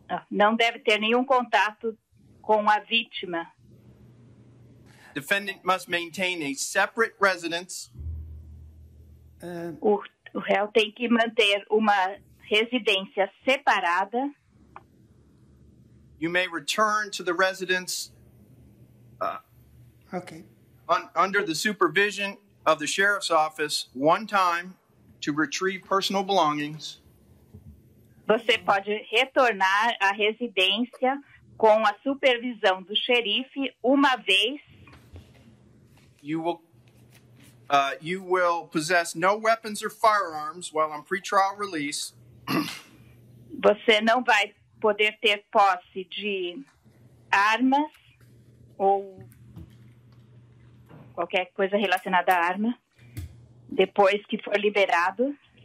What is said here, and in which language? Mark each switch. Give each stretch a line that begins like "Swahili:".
Portuguese: Não deve ter nenhum contato com a vítima.
English: Defendant must maintain a separate residence.
Portuguese: O réu tem que manter uma residência separada.
English: You may return to the residence under the supervision of the sheriff's office one time to retrieve personal belongings.
Portuguese: Você pode retornar à residência com a supervisão do xerife uma vez.
English: You will You will possess no weapons or firearms while on pretrial release.
Portuguese: Você não vai poder ter posse de armas ou qualquer coisa relacionada à arma depois que for liberado.